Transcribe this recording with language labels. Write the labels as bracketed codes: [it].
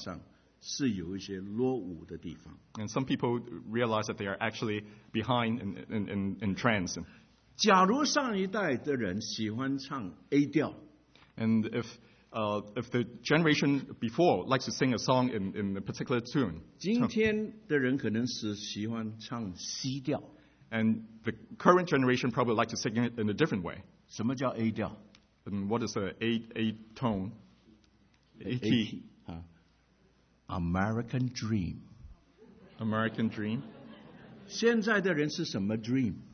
[zh] 好多人真是不知道别人在文化上是有一些落伍的地方。 [en] And some people realize that they are actually behind in trends. [zh] 假如上一代的人喜欢唱 A 调, [en] and if the generation before likes to sing a song in a particular tune, [zh] 今天的人可能是喜欢唱 C 调, [en] and the current generation probably likes to sing it in a different way. [zh] 什么叫 A 调？ [en] And what is the A tone? A key. American Dream. American Dream. [zh] 现在的人是什么 dream?